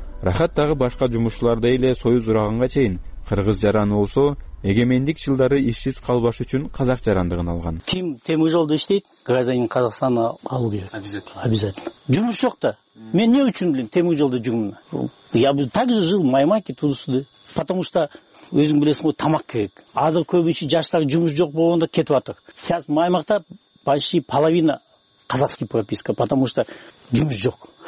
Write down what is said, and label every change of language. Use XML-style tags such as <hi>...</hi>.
<ky>Рахат дагы башка жумушчулардай эле союз ураганга чейин кыргыз жараны болсо, эгемендик жылдары ишсиз калбаш үчүн казак жарандыгын алган. Ким темир жолду иштейт,</ky> <ru>гражданин Казакстана</ru> <ky>алуу керек.</ky> <ru>Обязательно.</ru> <ky>Жумуш жок да. Мен эмне үчүн билем темир жолду жүгүнө?</ky> <ru>Я бы так же жил в Маймаке туусуда, потому что</ru> <ky>өзүң билесиң го тамак керек. Азыр көбүнчө жаштар жумуш жок болгондо кетип атык.</ky> <ru>Сейчас Маймакта почти половина казахский прописка, потому что</ru> <ky>жумуш жок.</ky>